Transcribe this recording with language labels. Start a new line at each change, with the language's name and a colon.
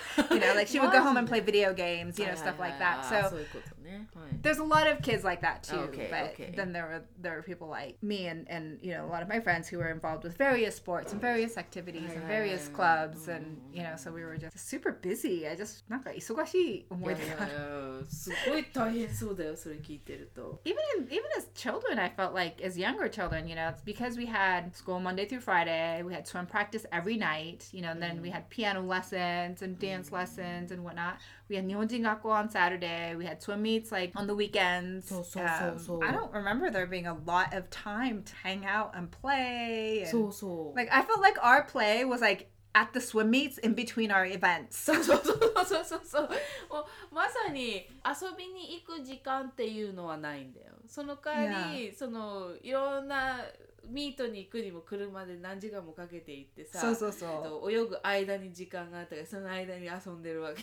English: You know, like she would go home and play video games. You know, stuff like that. So. There's a lot of kids like that too, then there are people like me and you know, a lot of my friends who were involved with various sports and various activities and various clubs, and you know, so we were just super busy. I just
Japanese: なんか忙しい思い出が。すごい大変そうだよ、それ聞いてると。
English: Even as children, I felt like as younger children, you know, it's because we had school Monday through Friday, we had swim practice every night, you know, and then we had piano lessons and dance lessons and whatnot. We had 日本人学校 on Saturday, we had swim meets like on the weekends. So. I don't remember there being a lot of time to hang out and play. And, so. Like, I felt like our play was like at the swim meets in between our events. So.
Japanese: もうまさに遊びに行く時間っていうのはないんだよ。その代わり、そのいろんなミートに行くにも車で何時間もかけて行ってさ、泳ぐ間に時間があったから、その間に遊んでるわけ